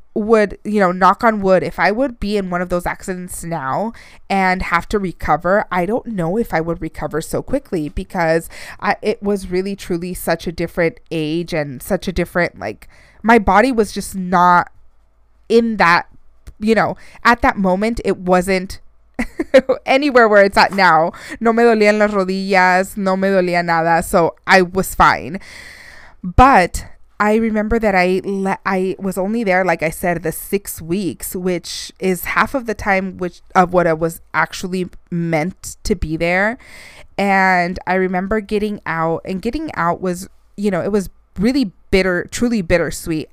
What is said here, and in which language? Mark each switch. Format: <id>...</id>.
<en>would, you know, knock on wood, if I would be in one of those accidents now and have to recover, I don't know if I would recover so quickly, because it was really truly such a different age and such a different, like, my body was just not in that, you know, at that moment, it wasn't anywhere where it's at now.</en> <es>No me dolían las rodillas, no me dolía nada,</es> <en>so I was fine. But I remember that I was only there, like I said, the 6 weeks, which is half of the time which of what I was actually meant to be there. And I remember getting out, and getting out was, you know, it was really bitter, truly bittersweet.</en>